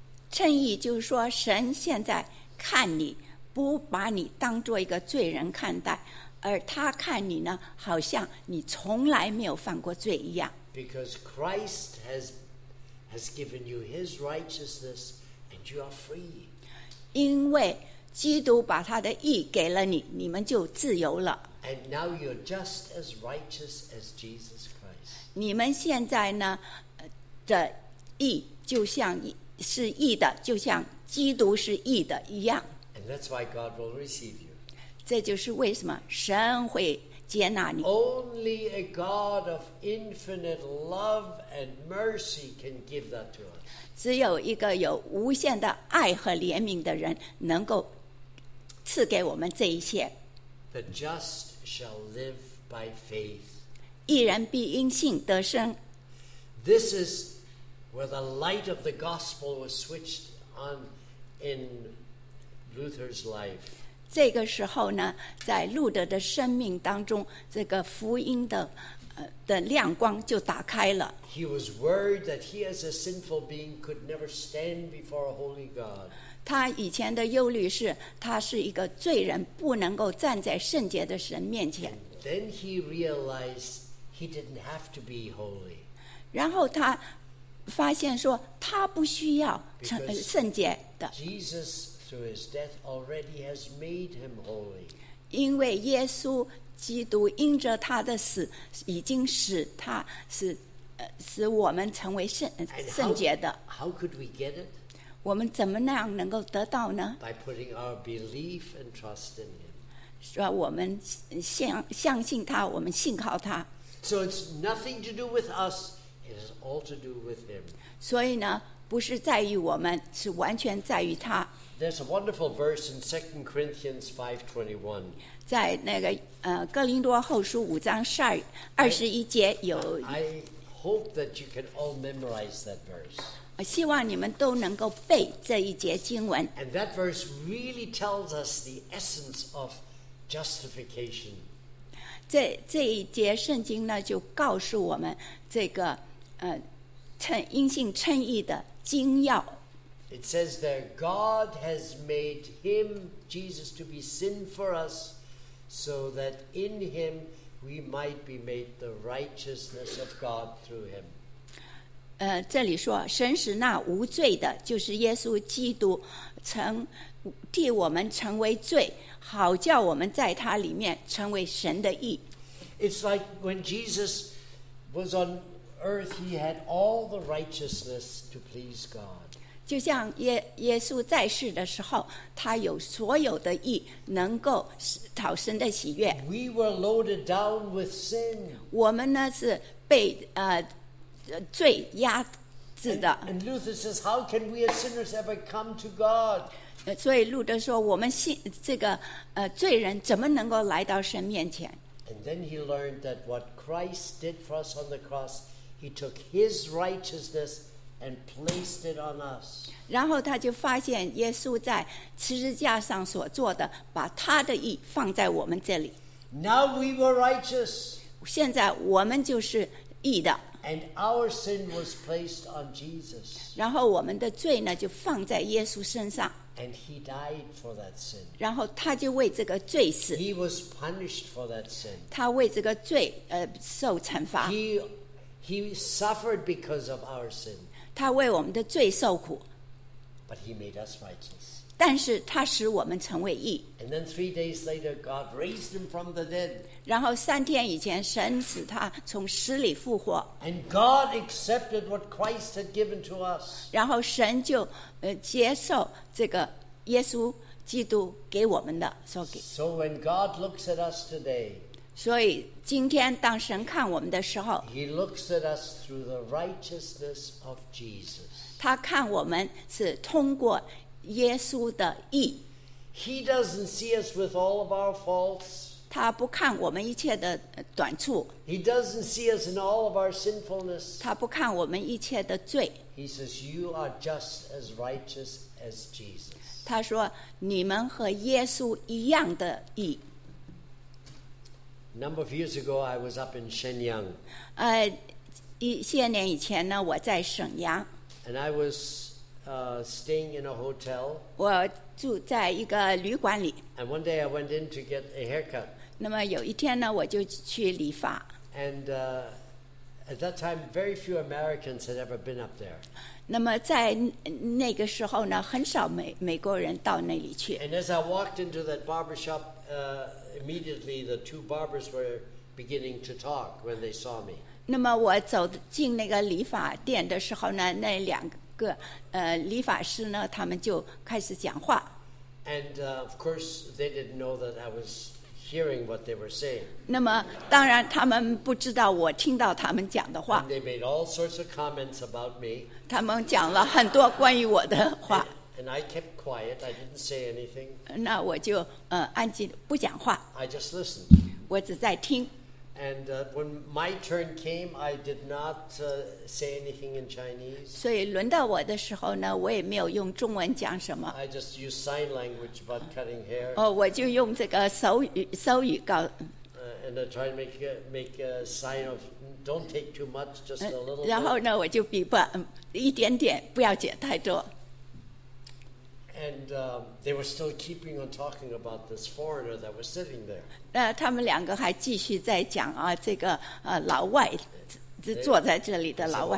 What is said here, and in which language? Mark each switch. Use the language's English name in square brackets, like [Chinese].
[Chinese] 称义就是说，神现在看你，不把你当作一个罪人看待，而他看你呢，好像你从来没有犯过罪一样。 [English] Because Christ has given you his righteousness and you are free. [Chinese] 因为基督把他的义给了你，你们就自由了。 [English] And now you're just as righteous as Jesus Christ. [Chinese] 你们现在呢的义就像是义的，就像基督是义的一样。 [English] And that's why God will receive you. [Chinese] 这就是为什么神会接纳你。 [English] Only a God of infinite love and mercy can give that to us. [Chinese] 只有一个有无限的爱和怜悯的人能够赐给我们这一切。 [English] The just shall live by faith. [Chinese] 义人必因信得生。 [English] This is where the light of the gospel was switched on in Luther's life. [Chinese] 这个时候呢，在路德的生命当中，这个福音的的亮光就打开了。 [English] He was worried that he as a sinful being could never stand before a holy God. [Chinese] 他以前的忧虑是他是一个罪人，不能够站在圣洁的神面前。 [English] Then he realized he didn't have to be holy. [Chinese] 然后他发现说他不需要圣洁的。 [English] Jesus through his death already has made him holy. [Chinese] 因为耶稣基督因着他的死已经使他是使我们成为圣洁的。 [English] How could we get it? [Chinese] 我们怎么那样能够得到呢？ [English] By putting our belief and trust in him. [Chinese] 说我们相信他，我们信靠他。 [English] So it's nothing to do with us, it has all to do with him. [Chinese] 所以呢，不是在于我们，是完全在于他。 [English] There's a wonderful verse in 2 Corinthians 5:21. [Chinese] 在那个哥林多后书五章二十一节有。 [English] I hope that you can all memorize that verse. [Chinese] 我希望你们都能够背这一节经文。 [English] And that verse really tells us the essence of justification. [Chinese] 这一节圣经呢，就告诉我们这个因信称义的精要。 [English] It says that God has made him, Jesus, to be sin for us so that in him we might be made the righteousness of God through him. [Chinese] 这里说神使那无罪的就是耶稣基督曾替我们成为罪好叫我们在他里面成为神的义。 [English] It's like when Jesus was on earth, he had all the righteousness to please God. [Chinese] 就像耶稣在世的时候，他有所有的义，能够讨神的喜悦。 [English] We were loaded down with sin. [Chinese] 我们呢是被罪压制的。 [English] And Luther says, "How can we as sinners ever come to God?" [Chinese] 所以路德说，我们信这个罪人怎么能够来到神面前 [English] ？And then he learned that what Christ did for us on the cross, he took his righteousness. And placed it on us. [Chinese] 然后他就发现耶稣在十字架上所做的，把他的义放在我们这里。 [English] Now we were righteous. [Chinese] 现在我们就是义的。 [English] And our sin was placed on Jesus. [Chinese] 然后我们的罪呢就放在耶稣身上。 [English] And he died for that sin. [Chinese] 然后他就为这个罪死。 [English] He was punished for that sin. [Chinese] 他为这个罪受惩罚。 [English] He suffered because of our sin. [Chinese] 他为我们的罪受苦 [English] But he made us righteous. [Chinese] 但是他使我们成为义 [English] And then 3 days later, God raised him from the dead. [Chinese] 然后三天以前神使他从死里复活 [English] And God accepted what Christ had given to us. [Chinese] 然后神就接受这个耶稣基督给我们的 [English] So when God looks at us today, [Chinese] 所以今天当神看我们的时候 [English] He looks at us through the righteousness of Jesus. [Chinese] 他看我们是通过耶稣的义。 [English] He doesn't see us with all of our faults. [Chinese] 他不看我们一切的短处。 [English] He doesn't see us in all of our sinfulness. [Chinese] 他不看我们一切的罪。 [English] He says, you are just as righteous as Jesus. [Chinese] 他说你们和耶稣一样的义。 [English] A number of years ago, I was up in Shenyang. [Chinese] 一些年以前呢，我在沈阳。 [English] And I was staying in a hotel. [Chinese] 我住在一个旅馆里。 [English] And one day I went in to get a haircut. [Chinese] 那么有一天呢，我就去理发。 [English] And at that time, very few Americans had ever been up there. [Chinese] 那么在那个时候呢，很少美国人到那里去。 [English] And as I walked into that barbershop, immediately the two barbers were beginning to talk when they saw me. [Chinese] 那么我走进那个理发店的时候呢，那两个理发师呢，他们就开始讲话。 [English] And of course, they didn't know that I was hearing what they were saying. [Chinese] 那么当然他们不知道我听到他们讲的话。 [English] And they made all sorts of comments about me. [Chinese] 他们讲了很多关于我的话。 [English] And I kept quiet. I didn't say anything. [Chinese] 那我就安静不讲话。 [English] I just listened. [Chinese] 我只在听。 [English] And when my turn came, I did not say anything in Chinese. [Chinese] 所以轮到我的时候呢，我也没有用中文讲什么。 [English] I just used sign language about cutting hair. [Chinese] 我就用这个手语告。 [English] And I tried to make a sign of don't take too much, just a little. [Chinese] 然后呢，我就比不一点点，不要剪太多。 [English] And they were still keeping on talking about this foreigner that was sitting there. [Chinese] 那他们两个还继续在讲啊，这个老外，坐在这里的老外。